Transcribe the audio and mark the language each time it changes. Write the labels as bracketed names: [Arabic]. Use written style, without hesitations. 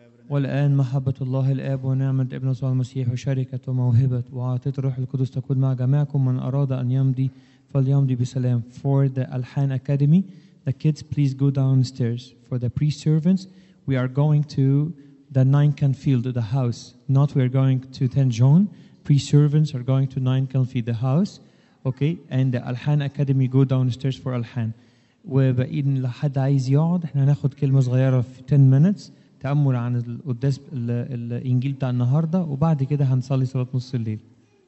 [Arabic] والآن محبة الله الآب ونعمة ابن يسوع المسيح وشركة وموهبة وعطاء الروح القدس تكون مع جميعكم من أراد أن يمضي فليمضي بسلام. [English] For the Alhan Academy, the kids please go downstairs. For the pre-servants, we are going to the Ninecan field, the house. Not we are going to Tenjon. Pre-servants are going to Ninecan field, the house. Okay, and the Alhan Academy go downstairs for Alhan. [Arabic] وبإذن لحد عايز يقعد احنا ناخد كلمة صغيرة في [English] 10 minutes. [Arabic] تأمل عن القداس الإنجيل بتاع النهاردة وبعد كده هنصلي صلاة نص الليل.